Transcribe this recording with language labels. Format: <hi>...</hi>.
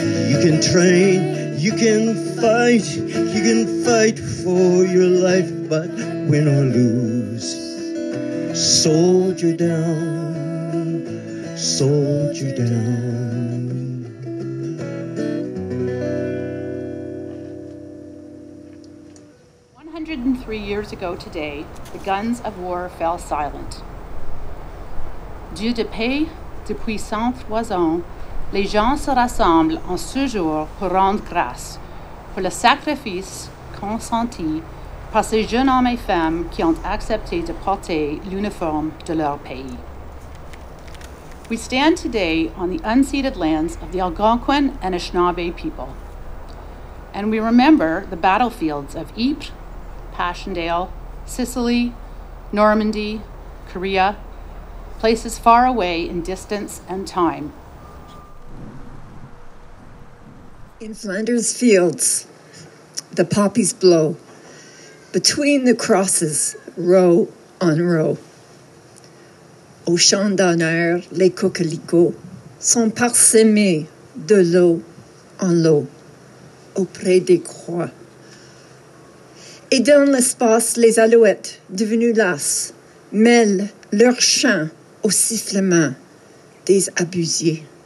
<en>You can train, you can fight for your life, but win or lose, soldier down, soldier down. Years ago today, the guns of war fell silent.</en> <fr>Dieu de paix, depuis cent trois ans, les gens se rassemblent en ce jour pour rendre grâce pour le sacrifice consenti par ces jeunes hommes et femmes qui ont accepté de porter l'uniforme de leur pays.</fr> <en>We stand today on the unceded lands of the Algonquin and Anishinaabe people, and we remember the battlefields of Ypres, Passchendaele, Sicily, Normandy, Korea, places far away in distance and time. In Flanders fields, the poppies blow, between the crosses, row on row.</en> <fr>Au champ d'honneur, les coquelicots sont parsemés de l'eau en l'eau, auprès des croix. Et dans l'espace, les alouettes, devenues lasses, mêlent leur chant au sifflement des abusiers.</fr>